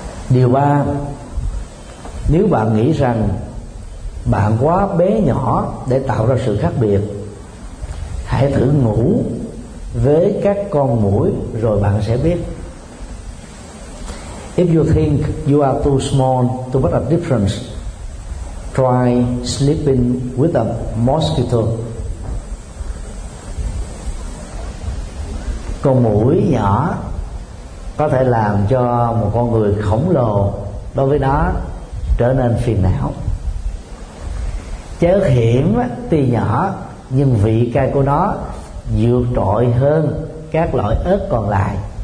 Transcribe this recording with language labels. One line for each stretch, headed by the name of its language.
Vietnamese: Điều ba, nếu bạn nghĩ rằng bạn quá bé nhỏ để tạo ra sự khác biệt, hãy thử ngủ với các con muỗi rồi bạn sẽ biết.
English: If you think you are too small to make a difference, try sleeping with a mosquito.
Vietnamese: Con muỗi nhỏ có thể làm cho một con người khổng lồ đối với nó trở nên phiền não. Chớ hiểm tuy nhỏ nhưng vị cay của nó vượt trội hơn các loại ớt còn lại.